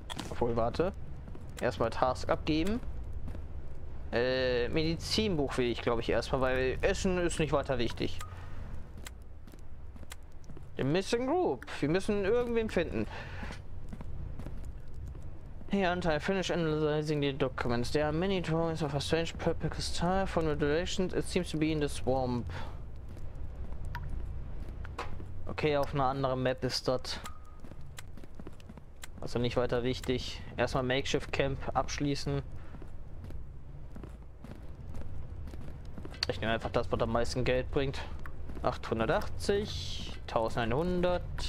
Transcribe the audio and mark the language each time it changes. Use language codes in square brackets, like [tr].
[de] Obwohl, warte. Erstmal Task abgeben. Medizinbuch will ich, glaube ich, erstmal, weil Essen ist nicht weiter wichtig. The Missing Group. Wir müssen irgendwen finden. [en] Hey, Anteil, finish analyzing the documents. There are many drawings of a strange purple crystal from the direction it seems to be in the swamp. [de] Okay, auf einer anderen Map ist dort. Also nicht weiter wichtig. Erstmal Makeshift Camp abschließen. Ich nehme einfach das, was am meisten Geld bringt. 880, 1100.